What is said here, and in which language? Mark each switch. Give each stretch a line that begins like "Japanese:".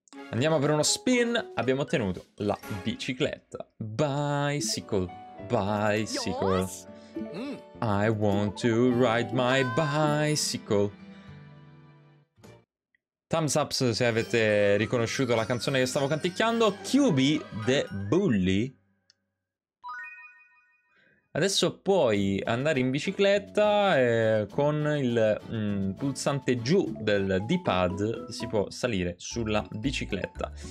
Italian: Andiamo per uno spin. Abbiamo ottenuto la bicicletta.
English: Bicycle, bicycle. I want to ride my bicycle. Thumbs up
Italian: se avete riconosciuto la canzone che stavo canticchiando.
English: QB the Bully.
Italian: Adesso puoi andare in bicicletta e con il pulsante giù del D-pad si può salire sulla bicicletta.